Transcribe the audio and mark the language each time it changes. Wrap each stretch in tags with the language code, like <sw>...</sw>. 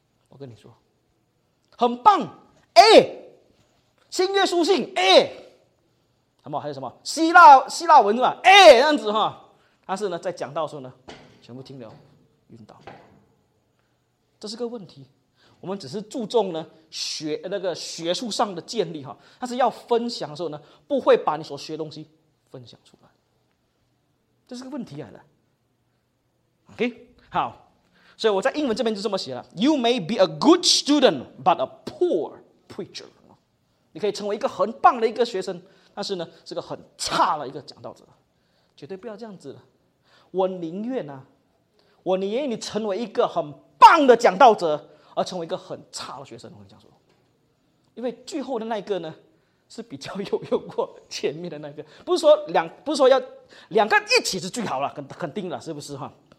<zh>我跟你说，很棒 A。新约书信 A， 什么还有什么希腊文是吧 ？A 这样子哈，但是呢，在讲到的时候呢，全部听了晕倒，这是个问题。我们只是注重呢学术上的建立哈，但是要分享的时候呢，不会把你所学的东西分享出来，这是个问题来的。</zh> <en>OK，</en> <zh>好，所以我在英文这边就这么写了</zh> <en>：You may be a good student, but a poor preacher。</en> <zh>你可以成为一个很棒的一个学生，但是呢，是个很差的一个讲道者，绝对不要这样子了。我宁愿你成为一个很棒的讲道者，而成为一个很差的学生。我跟你讲说，因为最后的那一个呢是比较有用过前面的那个，不是说两，不是说要两个一起是最好了，肯定了，是不是哈？</zh>